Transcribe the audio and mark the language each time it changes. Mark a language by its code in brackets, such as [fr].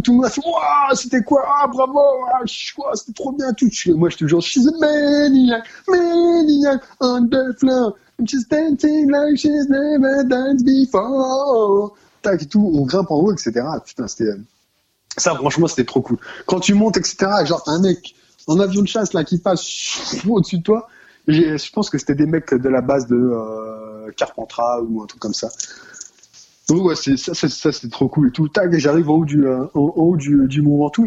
[fr] Tout le monde a fait, waouh, c'était quoi? Ah, bravo! Ah, c'était trop bien, tout. Moi, j'étais genre, [en] she's a maniac, maniac, on the floor. She's dancing like she's never danced before. [fr] Tac et tout, on grimpe en haut, etc. Putain, c'était. Ça, franchement, c'était trop cool. Quand tu montes, etc., genre, un mec en avion de chasse, là, qui passe au-dessus de toi, je pense que c'était des mecs de la base de Carpentras ou un truc comme ça. Donc, ouais, ça, c'était trop cool et tout. Tac, et j'arrive en haut du Mont Ventoux.